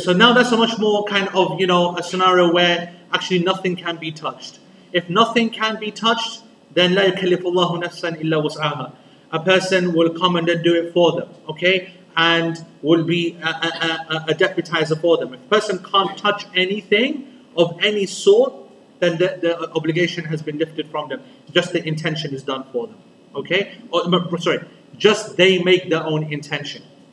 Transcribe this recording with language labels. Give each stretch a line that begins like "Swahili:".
English: So now that's a much more kind of, you know, a scenario where actually nothing can be touched. If nothing can be touched, then
Arabic: لا يكلف الله نفسا إلا وسعها.
English: A person will come and then do it for them, okay? And will be a deputizer for them. If a person can't touch anything of any sort, then the obligation has been lifted from them. Just the intention is done for them, okay? Just they make their own intention.